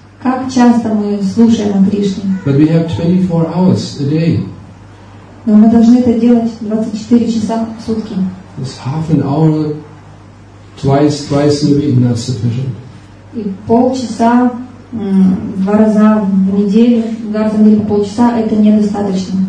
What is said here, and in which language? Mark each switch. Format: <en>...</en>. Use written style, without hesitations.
<ru>Как часто мы слушаем о Кришне?</ru> <en>But we have 24 hours a day.</en> <ru>Но мы должны это делать 24 часа в сутки.</ru> <en>It's half an hour twice a week, not sufficient.</en> <ru>И полчаса два раза в неделю, два раза в неделю полчаса, это недостаточно.</ru>